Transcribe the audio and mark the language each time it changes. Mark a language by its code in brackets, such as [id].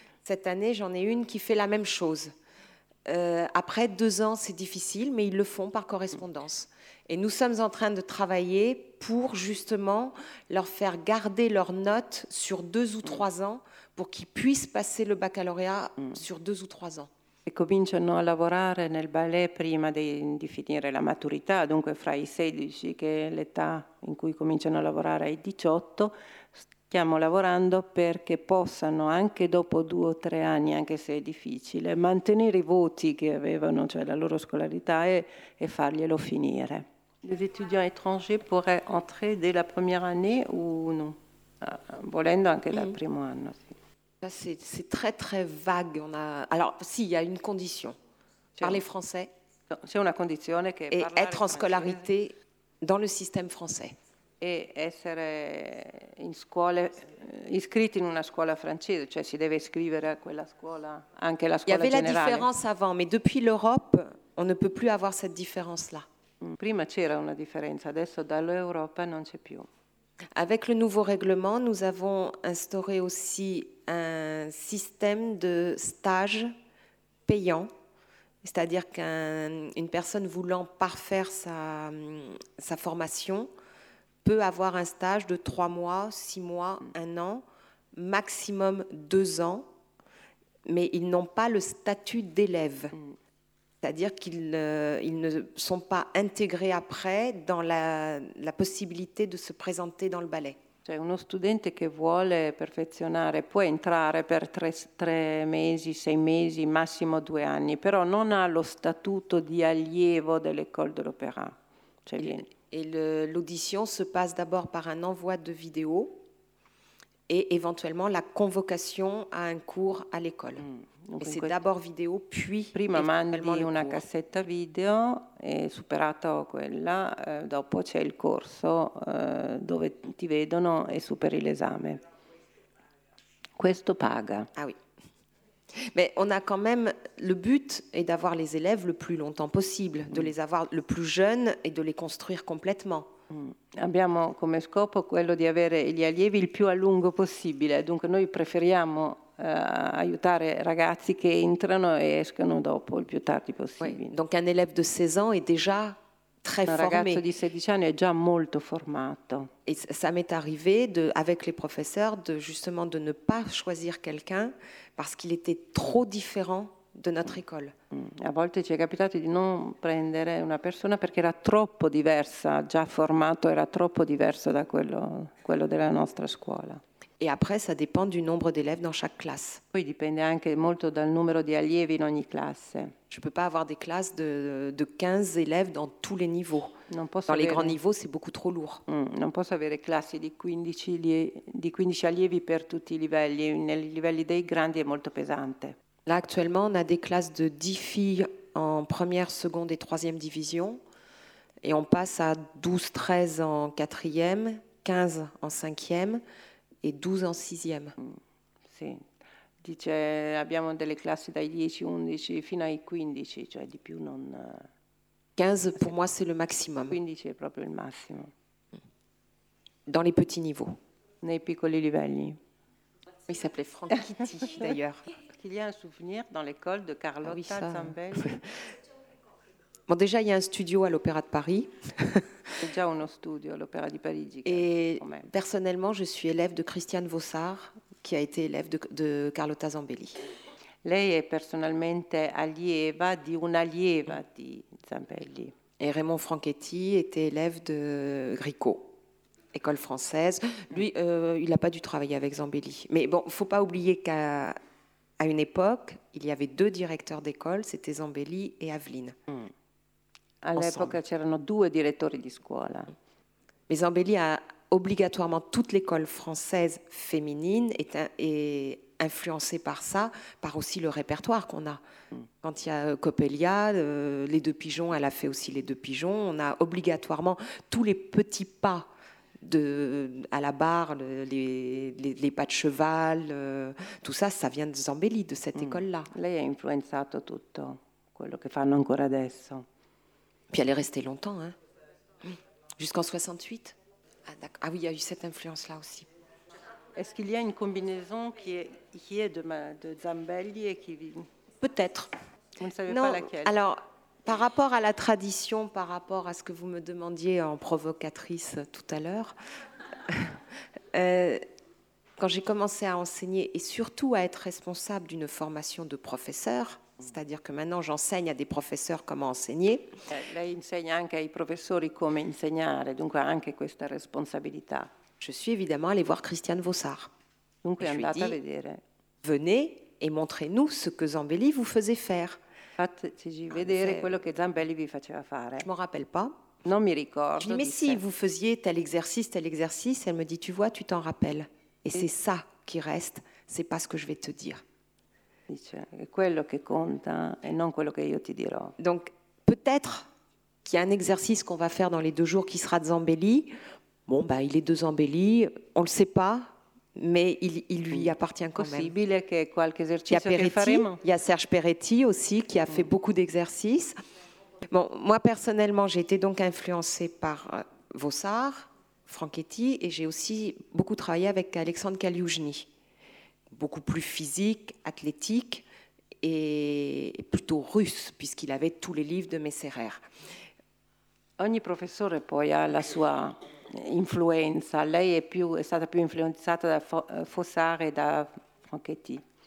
[fr] Cette année, j'en ai une qui fait la même chose. Après deux ans, c'est difficile, mais ils le font par correspondance. Et nous sommes en train de travailler pour justement leur faire garder leurs notes sur deux ou trois ans pour qu'ils puissent passer le baccalauréat sur deux ou trois ans. [it] E cominciano a lavorare nel ballet prima di finire la maturità, dunque fra i 16, che è l'età in cui cominciano a lavorare ai 18, stiamo lavorando perché possano anche dopo due o tre anni, anche se è difficile, mantenere i voti che avevano, cioè la loro scolarità, e farglielo finire. [fr] Les étudiants étrangers pourraient entrer dès la première année ou non? [it] Volendo anche dal primo anno, sì. [fr] C'est très très vague. Alors, si, il y a une condition. Parler français. C'est une condition que. Et être en scolarité dans le système français. Et être [it] in scuole, iscritti in una scuola francese, cioè si deve iscrivere a quella scuola, anche la scuola generale. [fr] Il y avait la différence avant, mais depuis l'Europe, on ne peut plus avoir cette différence-là. [it] Prima c'era una differenza, adesso dall'Europa non c'è più. [fr] Avec le nouveau règlement, nous avons instauré aussi un système de stage payant, c'est-à-dire qu'une personne voulant parfaire sa formation peut avoir un stage de 3 mois, 6 mois, 1 an, maximum 2 ans, mais ils n'ont pas le statut d'élève, c'est-à-dire qu'ils ne sont pas intégrés après dans la possibilité de se présenter dans le ballet. [it] Cioè uno studente che vuole perfezionare può entrare per tre mesi, sei mesi, massimo due anni, però non ha lo statuto di allievo dell'École de l'Opéra. [fr] Cioè l'audition se passe d'abord par un envoi de vidéo et éventuellement la convocation à un cours à l'école. Et c'est d'abord vidéo, puis [it] prima mandi una cassetta video e superato quella, dopo c'è il corso dove ti vedono e superi l'esame. Questo paga. [fr] Ah oui. Mais on a quand même le but est d'avoir les élèves le plus longtemps possible, de les avoir le plus jeunes et de les construire complètement. [it] Abbiamo come scopo quello di avere gli allievi il più a lungo possibile, dunque noi preferiamo aiutare ragazzi che entrano e escono dopo il più tardi possibile. [fr] Donc un élève de 16 ans est déjà très un formé. [it] Un ragazzo di 16 anni è già molto formato. [fr] Et ça m'est arrivé de, avec les professeurs de justement de ne pas choisir quelqu'un parce qu'il était trop différent de notre école. [it] A volte ci è capitato di non prendere una persona perché era troppo diversa, già formato, era troppo diverso da quello della nostra scuola. [fr] Et après, ça dépend du nombre d'élèves dans chaque classe. [it] Poi dipende anche molto dal numero di allievi in ogni classe. [fr] Je ne peux pas avoir des classes de 15 élèves dans tous les niveaux. [it] Non posso [fr] dans [it] avere... [fr] les grands niveaux, c'est beaucoup trop lourd. [it] Non posso avere classi di 15 allievi per tutti i livelli. Nei livelli dei grandi è molto pesante. [fr] Là, actuellement, on a des classes de 10 filles en première, seconde et troisième division. Et on passe à 12-13 en quatrième, 15 en cinquième et 12 en sixième. [it] Sì. Dice, abbiamo delle classi dai 10, 11 fino ai 15, cioè di più non... [fr] 15, pour moi, c'est le maximum. [it] 15 è proprio il massimo. [fr] Dans les petits niveaux. [it] Nei piccoli livelli. [fr] Il s'appelait Franck Kitty, d'ailleurs. Qu'il y a un souvenir dans l'école de Carlotta Zambelli. Bon, déjà, il y a un studio à l'Opéra de Paris. C'est déjà un studio à l'Opéra de Paris. Et personnellement, je suis élève de Christiane Vossard, qui a été élève de Carlotta Zambelli. [it] Lei è personalmente allieva di un'allieva di Zambelli. [fr] Et Raymond Franchetti était élève de Gricot. École française. Lui, il n'a pas dû travailler avec Zambelli. Mais bon, il ne faut pas oublier qu'à une époque, il y avait deux directeurs d'école, c'était Zambelli et Aveline. À l'époque, il y avait deux directeurs de scuola. Mais Zambelli a obligatoirement, toute l'école française féminine est influencée par ça, par aussi le répertoire qu'on a. Quand il y a Coppelia, Les Deux Pigeons, elle a fait aussi Les Deux Pigeons. On a obligatoirement tous les petits pas à la barre, les pas de cheval, tout ça, ça vient de Zambelli, de cette école-là. [it] Lei ha influenzato tutto quello che fanno ancora adesso. [fr] Puis elle est restée longtemps, hein. Oui. Jusqu'en 68. Ah oui, il y a eu cette influence-là aussi. Est-ce qu'il y a une combinaison qui est de Zambelli et qui... Peut-être. Vous ne savez non, pas laquelle. Alors, par rapport à la tradition, par rapport à ce que vous me demandiez en provocatrice tout à l'heure, quand j'ai commencé à enseigner et surtout à être responsable d'une formation de professeur, c'est-à-dire que maintenant j'enseigne à des professeurs comment enseigner. [it] Lei insegna anche ai professori come insegnare, dunque ha anche questa responsabilità. [fr] Je suis évidemment allée voir Christiane Vossard. [it] Dunque è andata a vedere. [fr] Venez et montrez-nous ce que Zambelli vous faisait faire. [it] Fateci vedere quello che Zambelli vi faceva fare. [fr] Je m'en rappelle pas. [it] Non mi ricordo. [fr] Je dis, mais si vous faisiez tel exercice, elle me dit, tu vois, tu t'en rappelles. Et c'est ça qui reste, c'est pas ce que je vais te dire. [it] Dice, è quello che conta e non quello che io ti dirò. [fr] Donc peut-être qu'il y a un exercice qu'on va faire dans les deux jours qui sera de Zambelli. Bon, bah, il est de Zambelli, on le sait pas, mais il lui appartient quand possible même. [it] Che qualche esercizio che faremo. [fr] Il y a Serge Peretti aussi qui a fait beaucoup d'exercices. Bon, moi personnellement, j'ai été donc influencée par Vossard, Franchetti, et j'ai aussi beaucoup travaillé avec Alexandre Kaliouzhny. Beaucoup plus physique, athlétique et plutôt russe, puisqu'il avait tous les livres de Messerer. [it] Ogni professore poi ha la sua influenza. Lei è stata più influenzata da Fossard et da Franchetti.